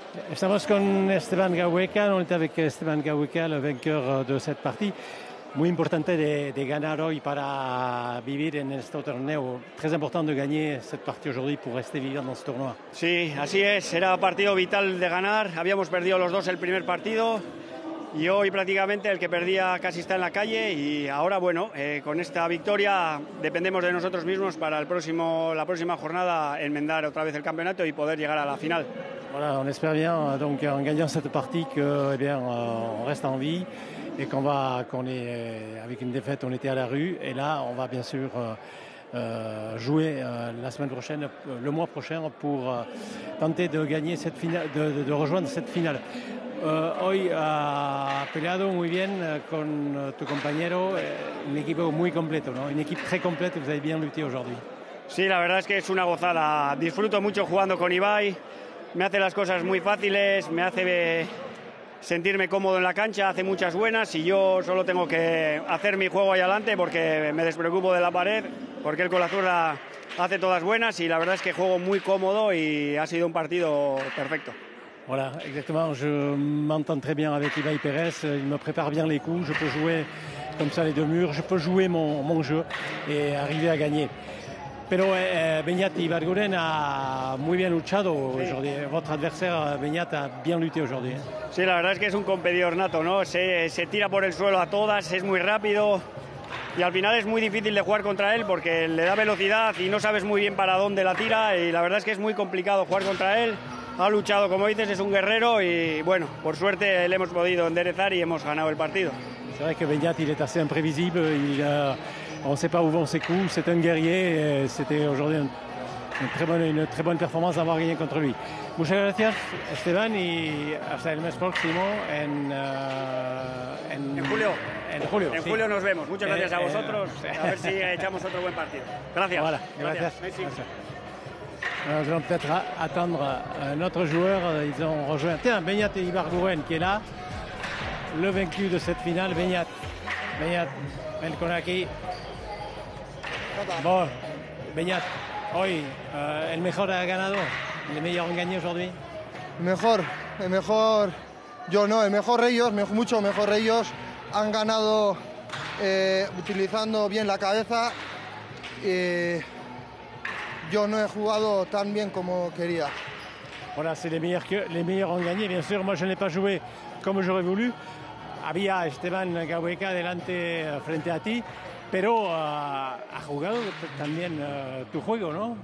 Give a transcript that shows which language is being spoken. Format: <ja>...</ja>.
<es>Estamos con Esteban Gaubeka,</es> <fr>on est avec Esteban Gaubeka, le vainqueur de cette partie.</fr> <es>Muy importante de ganar hoy para vivir en este torneo.</es> <fr>Très important de gagner cette partie aujourd'hui pour rester vivant dans ce tournoi.</fr> <es>Sí, así es, era partido vital de ganar. Habíamos perdido los dos el primer partido y hoy prácticamente el que perdía casi está en la calle y ahora bueno, con esta victoria dependemos de nosotros mismos para la próxima jornada enmendar otra vez el campeonato y poder llegar a la final.</es> <fr>Voilà, on espère bien donc en gagnant cette partie que eh bien on reste en vie et qu'on va qu'on est avec une défaite on était à la rue et là on va bien sûr jouer la semaine prochaine le mois prochain pour tenter de gagner cette finale de rejoindre cette finale.</fr> <es>Hoy ha peleado muy bien con tu compañero, un equipo muy completo, ¿no?</es> <fr>Une équipe très complète, vous avez bien lutté aujourd'hui.</fr> <es>Sí, la verdad es que es una gozada. Disfruto mucho jugando con Ibai. Me hace las cosas muy fáciles, me hace sentirme cómodo en la cancha, hace muchas buenas y yo solo tengo que hacer mi juego ahí adelante porque me despreocupo de la pared, porque él con la zurda hace todas buenas y la verdad es que juego muy cómodo y ha sido un partido perfecto.</es> <fr>Voilà, exactement. Je m'entends très bien avec Ibai Pérez. Il me prépare bien les coups. Je peux jouer comme ça les deux murs. Je peux jouer mon jeu et arriver à gagner.</fr> <es>Pero Beñat y Barguren a muy bien luchado</es> <fr>aujourd'hui. Votre adversaire Beñat a bien lutté aujourd'hui.</fr> <es>Sí, la verdad es que es un competidor nato, ¿no? Se tira por el suelo a todas, es muy rápido y al final es muy difícil de jugar contra él porque le da velocidad y no sabes muy bien para dónde la tira y la verdad es que es muy complicado jugar contra él. Ha luchado, como dices, es un guerrero y bueno, por suerte le hemos podido enderezar y hemos ganado el partido.</es> <fr>C'est vrai que Beñat il est assez imprévisible, on ne sait pas où vont ses coups, c'est un guerrier, c'était aujourd'hui une très bonne performance d'avoir gagné contre lui.</fr> <es>Muchas gracias, Esteban, y hasta el mes próximo en julio. En julio nos vemos. Muchas gracias a vosotros. A ver si echamos otro buen partido. Gracias. Voilà, gracias.</es> <fr>Nous allons peut-être attendre un autre joueur. Ils ont rejoint. Tiens, Beñat Ibargüen qui est là. Le vaincu de cette finale, Beñat.</fr> <es>Beñat, ven con aquí. Bon, Beñat, hoy, el mejor ha ganado. ¿Le mejor en</es> <fr>gagné aujourd'hui?</fr> <es>El mejor. Yo no, el mejor ellos, mucho mejor ellos. Han ganado utilizando bien la cabeza. Yo no he jugado tan bien como quería.</es> <fr>Voilà, c'est les meilleurs ont gagné, bien sûr. Moi, je n'ai pas joué comme j'aurais voulu.</fr> <es>Había Esteban Gaueca delante, frente a ti. Pero ha jugado también tu juego, ¿no?</es>